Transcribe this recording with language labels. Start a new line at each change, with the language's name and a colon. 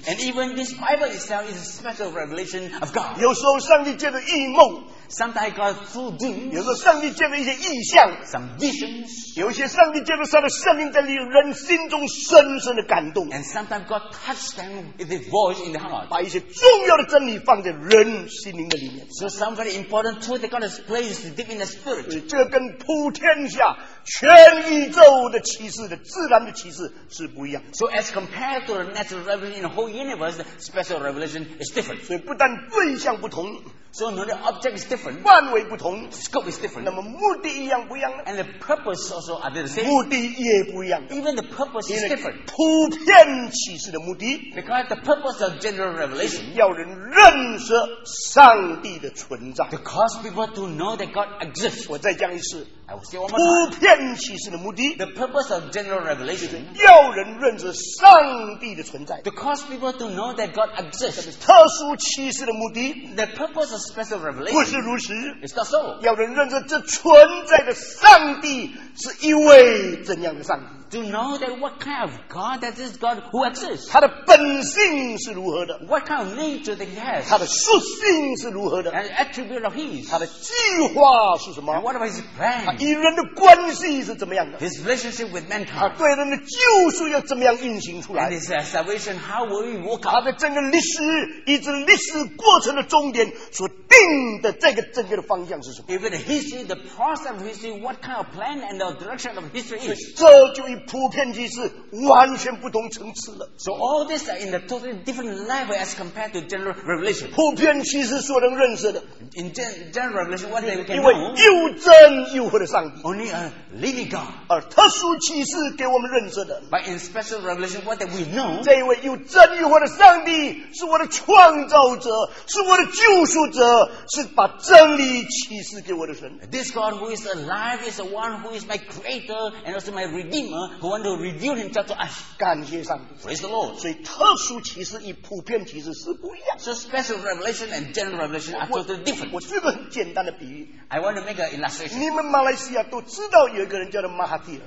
English: And even this Bible itself is a special revelation of God
Chinese: 有时候上帝借着异梦
English: Sometimes God through dreams,
Chinese: 有时候上帝借着一些异象
English: some visions,
Chinese: 有些上帝借着他的圣灵在人心中深深的感动
English: and sometimes God touched them with his voice in the heart,
Chinese: 把一些重要的真理放在人心灵的里面
English: so some very important truth that God has placed deep in the spirit,
Chinese: 这跟普天下全宇宙的启示的自然的启示是不一样
English: so as compared to the natural revelation in the whole universe, the special revelation is different,
Chinese: 所以不但对象不同
English: so no, the object is different
Chinese: 范围不同
English: scope is different
Chinese: 那么目的一样不一样
English: and the purpose also are they the same
Chinese: 目的也不一样
English: even the purpose is different
Chinese: 普遍启示的目的
English: because the purpose of general revelation
Chinese: 要人认识上帝的存在
English: to cause people to know that God exists
Chinese: 我再讲一次
English: I will say one more
Chinese: time 普遍启示的目的
English: the purpose of general revelation
Chinese: 要人认识上帝的存在
English: to cause people to know that God exists
Chinese: 特殊启示的目的
English: the purpose of special revelation
Chinese: 是如此
English: It's not so.
Chinese: 要人认识这存在的上帝是一位怎样的上帝
English: To know that what kind of God that is God who exists
Chinese: 他的本性是如何的
English: What kind of nature that he has
Chinese: 他的属性是如何的
English: And attribute of his
Chinese: 他的计划是什么
English: And what about his plan
Chinese: 他与人的关系是怎么样的
English: His relationship with mankind
Chinese: 他对人的救赎要怎么样运行出来
English: And his salvation how will it work
Chinese: out 他的整个历史以及历史过程的终点所定的这个整个的方向是什么
English: Even the history the process of history what kind of plan and the direction of history is
Chinese: 这就与普遍启示完全不同层次了
English: So all this are in a totally different level as compared to general revelation
Chinese: 普遍启示所能认识的
English: In general revelation what they can know
Chinese: 因为又真又活的上帝
English: Only a living God
Chinese: 而特殊启示给我们认识的
English: But in special revelation what that we know
Chinese: 这一位又真又活的上帝是我的创造者是我的救赎者是把真理启示给我的神
English: This God who is alive is the one who is my creator and also my redeemer who want to reveal himself to us.
Chinese: 感谢上帝。
English: Praise the Lord.
Chinese: 所以特殊启示与普遍启示是不一样。
English: So special revelation and general revelation are totally different.
Chinese: 我举个很简单的比喻。
English: I want to make an illustration.
Chinese: 你们马来西亚都知道有一个人叫做马哈蒂。